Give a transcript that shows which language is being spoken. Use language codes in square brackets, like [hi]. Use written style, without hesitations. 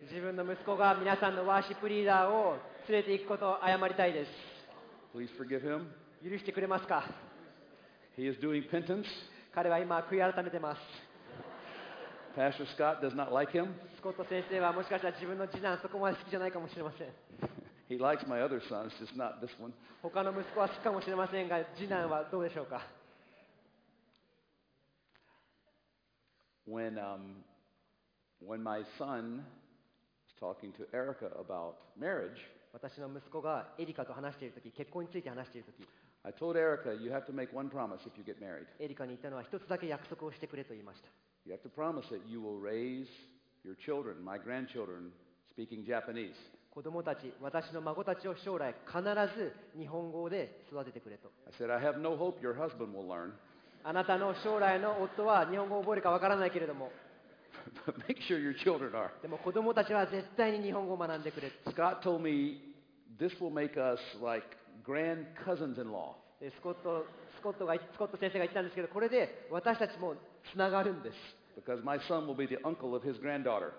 [ja] 自分の息子が皆さんのワーシップリーダーを連れて行くことを謝りたいです。 [en] Please forgive him. [ja] 許してくれますか? [en] He is doing penance. [ja] 彼は今悔い改めてます。 [en] Pastor Scott does not like him. [ja] スコット先生はもしかしたら自分の次男そこまで好きじゃないかもしれません。 [en] He likes my other sons, just not this one. [ja] 他の息子は好きかもしれませんが、次男はどうでしょうか? [en] When my son was talking to Erica about marriage, [ja] 私の息子がエリカと話している時、結婚について話している時、 [en] I told Erica, you have to make one promise if you get married. [ja] エリカに言ったのは一つだけ約束をしてくれと言いました。 [en] You have to promise that you will raise your children, my grandchildren, speaking Japanese. [ja] 子供たち、私の孫たちを将来必ず日本語で育ててくれと。 [en] I said, I have no hope your husband will learn. [ja] あなたの将来の夫は日本語を覚えるかわからないけれども。 [en] But make sure your children are. [ja] でも子供たちは絶対に日本語を学んでくれ。 [en] Scott told me this will make us like grand cousins in law. [ja] スコット先生が言ったんですけど、これで私たちもつながるんです。 [en] Because my son will be the uncle of his granddaughter.